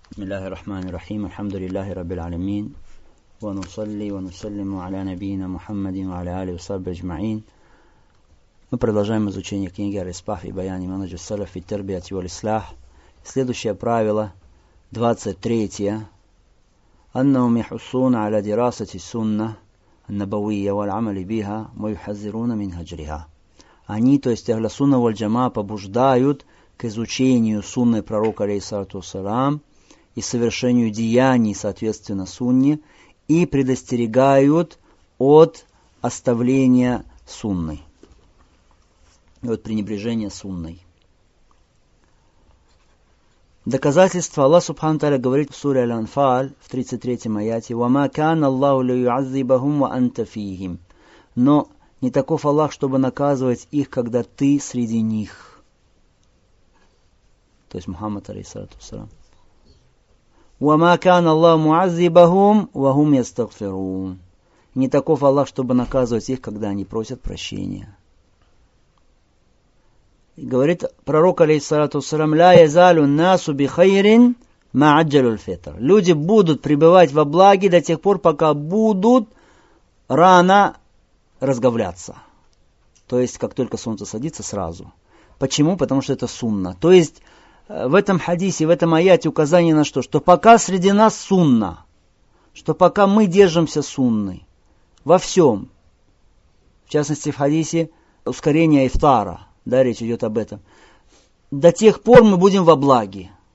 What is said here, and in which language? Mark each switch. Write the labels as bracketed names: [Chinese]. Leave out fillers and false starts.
[Arabic] بسم الله الرحمن الرحيم الحمد لله رب العالمين ونصلي ونسلم على نبينا محمد وعلى آله وصحبه أجمعين. [Russian] Мы продолжаем изучение книги Ар-Исбах и Баян Имамаджи Салаф и Тербиат и Валислах. Следующее правило, 23-е. [Arabic] أنهم يحصون على دراسة السنة النبوية والعمل بها ويحذرون من هجرها. [Russian] Они, то есть Ахля Сунна валь Джама, побуждают к изучению Сунны Пророка алейхиссалату вассалам и совершению деяний, соответственно, сунне, и предостерегают от оставления сунны, от пренебрежения сунной. Доказательство. Аллах Субхану Тааля говорит в суре Аль-Анфаль, в 33-м аяте, [Arabic] «Вама кана Аллаху ля юазибахум ва анта фихим». [Russian] Но не таков Аллах, чтобы наказывать их, когда ты среди них. То есть Мухаммад, алейхиссалату вассалам. [Arabic] وَمَا كَانَ اللَّهُ مُعَذِّبَهُمْ وَهُمْ يَسْتَغْفِرُونَ. [Russian] Не таков Аллах, чтобы наказывать их, когда они просят прощения. И говорит пророк, алейхиссалату вассалям, [Arabic] لَا يَزَالُ النَّاسُ بِخَيْرٍ مَعَجَّلُ الْفِطْرِ. [Russian] Люди будут пребывать во благе до тех пор, пока будут рано разговляться. То есть, как только солнце садится, сразу. Почему? Потому что это сунна. То есть, в этом хадисе, в этом аяте указание на что? Что пока среди нас сунна, что пока мы держимся сунны во всем, в частности в хадисе ускорение ифтара, да, речь идет об этом, до тех пор мы будем во благе.